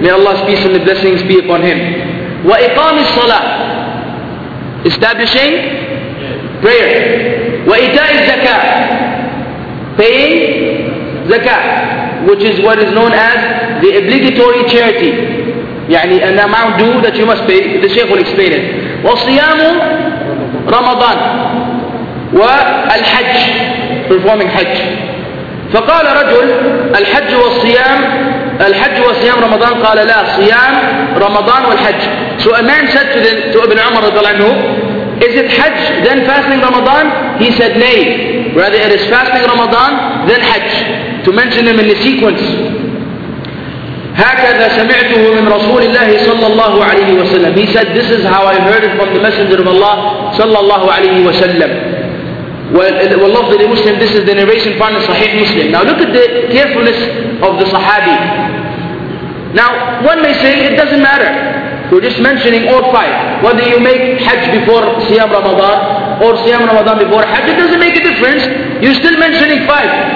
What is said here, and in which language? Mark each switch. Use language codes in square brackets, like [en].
[en] May Allah's peace and the blessings be upon him. [ar] وإقام الصلاة, [en] establishing prayer. [ar] وإيتاء الزكاة, [en] paying زكاة, which is what is known as the obligatory charity. [ar] يعني [en] an amount due that you must pay. The Shaykh will explain it. [ar] وصيام رمضان والحج, [en] performing [ar] حج. فقال رجل الحج والصيام, الحج والصيام رمضان, قال لا, صيام رمضان والحج. [en] So a man said to Ibn Umar [ar] رضي الله عنه, [en] is it حج then fasting Ramadan? He said nay, rather it is fasting Ramadan then حج. To mention them in the sequence. [ar] هكذا سمعته من رسول الله صلى الله عليه وسلم. [en] He said this is how I heard it from the Messenger of Allah [ar] صلى الله عليه وسلم. واللفظ لمسلم, [en] this is the narration found in Sahih Muslim. Now look at the carefulness of the Sahabi. Now one may say it doesn't matter, we're just mentioning all five, whether you make Hajj before Siyam Ramadan or Siyam Ramadan before Hajj, it doesn't make a difference, you're still mentioning five.